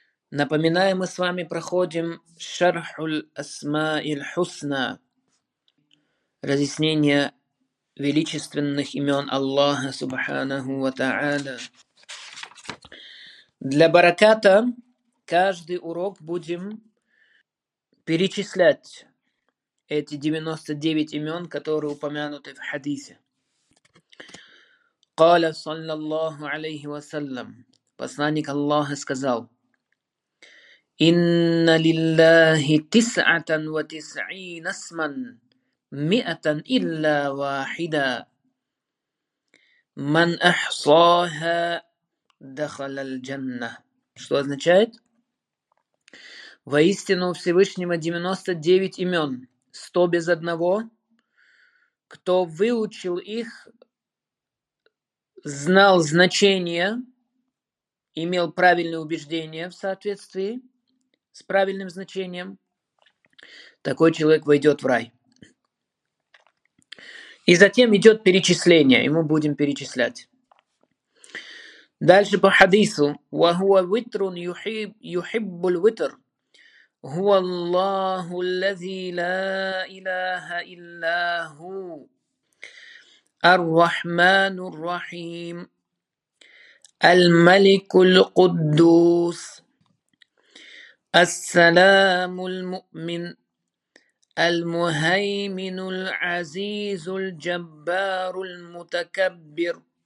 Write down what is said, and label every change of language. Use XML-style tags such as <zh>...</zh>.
<ru>Напоминаю, мы с вами проходим Шархуль Асмаиль Хусна, разъяснение величественных имен Аллаха Субханаху ва Тааля. Для бараката каждый урок будем перечислять эти 99 имен, которые упомянуты в хадисе.</ru> <ar>قال صلى الله عليه وسلم</ar> <ru>Посланник Аллаха сказал:</ru> <ar>إن لله تسعة وتسعين اسما مئة إلا واحدة من أحصاها دخل الجنة.</ar> <ru>Что означает? Воистину Всевышнего 99 имен, 100 без одного, кто выучил их, знал значение, имел правильное убеждение в соответствии с правильным значением, такой человек войдет в рай. И затем идет перечисление, и мы будем перечислять. Дальше по хадису.</ru> <ar>وَهُوَ وِتْرٌ يُحِبُّ الْوِتْرُ هُوَ اللَّهُ الَّذِي لَا إِلَهَ إِلَّا هُوَ الرحمن الرحيم الملك القدوس السلام المؤمن المهيمن العزيز الجبار المتكبر</ar>